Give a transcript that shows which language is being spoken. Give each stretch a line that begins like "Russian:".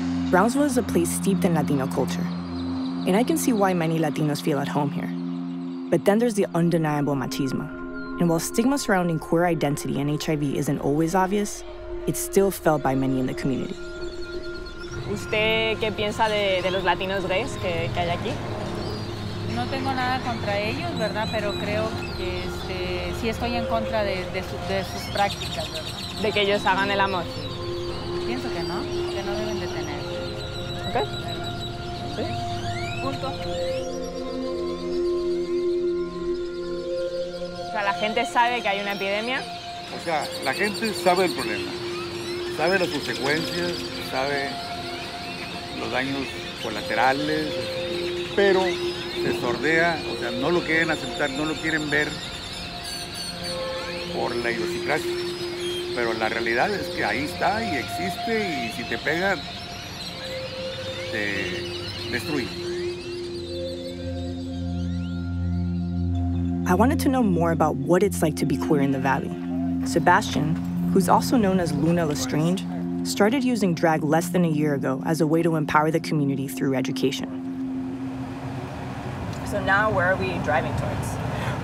English: Brownsville is a place steeped in Latino culture, and I can see why many Latinos feel at home here. But then there's the undeniable machismo. And while stigma surrounding queer identity and HIV isn't always obvious, it's still felt by many in the community.
Spanish: ¿Usted qué piensa de los latinos gays que hay aquí? No tengo nada contra ellos, ¿verdad? Pero creo que sí estoy en contra de sus prácticas, ¿verdad? De que ellos hagan el amor. Pienso que no deben de tener. ¿Ok? ¿Sí? Punto. La gente sabe que hay una epidemia. O sea, la gente sabe el problema, sabe las consecuencias, sabe los daños colaterales, pero se sordea, o sea, no lo quieren aceptar, no lo quieren ver por la idiosincrasia. Pero la realidad es que ahí está y existe, y si te pegan, te destruyen.
English: I wanted to know more about what it's like to be queer in the Valley. Sebastian, who's also known as Luna Lestrange, started using drag less than a year ago as a way to empower the community through education. So now where are we driving towards?